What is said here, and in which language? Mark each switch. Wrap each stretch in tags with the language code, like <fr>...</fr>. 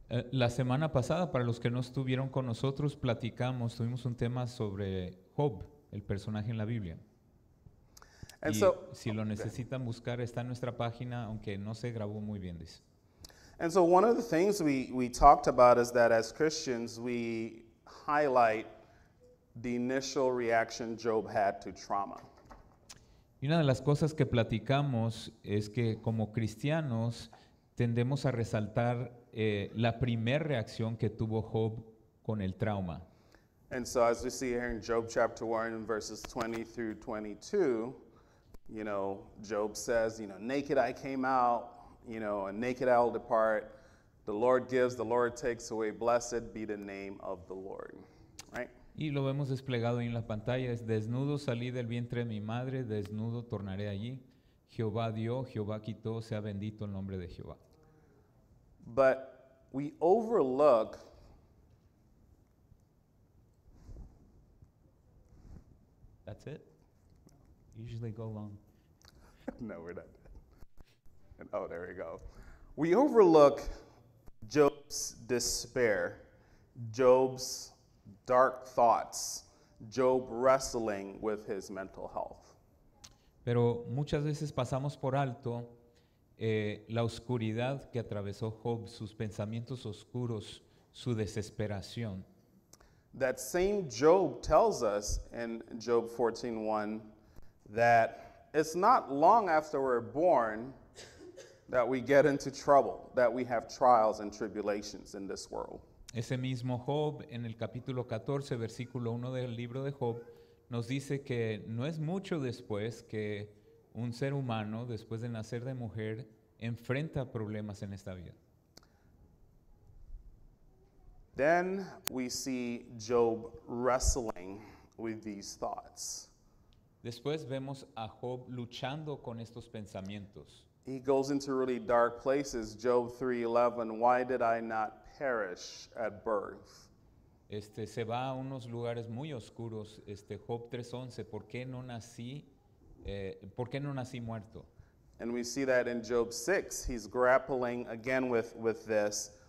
<es>La semana pasada, para los que no estuvieron con nosotros, platicamos, tuvimos un tema sobre Job, el personaje en la Biblia.</es> <en>And so,</en> <es>si lo necesitan buscar, está en nuestra página, aunque no se grabó muy bien, dice.</es> <en>And so one of the things we talked about is that as Christians, we highlight the initial reaction Job had to trauma.</en> <es>Y una de las cosas que platicamos es que como cristianos tendemos a resaltar la primera reacción que tuvo Job con el trauma.</es> <en>And so as we see here in Job chapter 1, verses 20 through 22, you know, Job says, you know, naked I came out, you know, and naked I'll depart. The Lord gives, the Lord takes away. Blessed be the name of the Lord. Right?</en> <es>Y lo vemos desplegado ahí en la pantalla. Es desnudo salí del vientre de mi madre, desnudo tornaré allí. Jehová dio, Jehová quitó, sea bendito el nombre de Jehová.</es> <en>But we overlook that's it? Usually go long. No, we're not. Oh, there we go. We overlook Job's despair, Job's dark thoughts, Job wrestling with his mental health.</en> <es>Pero muchas veces pasamos por alto la oscuridad que atravesó Job, sus pensamientos oscuros, su desesperación.</es> <en>That same Job tells us in Job 14:1 that it's not long after we're born that we get into trouble, that we have trials and tribulations in this world.</en> <es>Ese mismo Job, en el capítulo 14, versículo 1 del libro de Job, nos dice que no es mucho después que un ser humano, después de nacer de mujer, enfrenta problemas en esta vida.</es> <en>Then we see Job wrestling with these thoughts.</en> <es>Después vemos a Job luchando con estos pensamientos.</es> <en>He goes into really dark places. Job 3:11, why did I not perish at birth?</en> <es>Se va a unos lugares muy oscuros. Job 3:11, ¿por qué no nací muerto?</es> <en>And we see that in Job 6, he's grappling again with this.</en>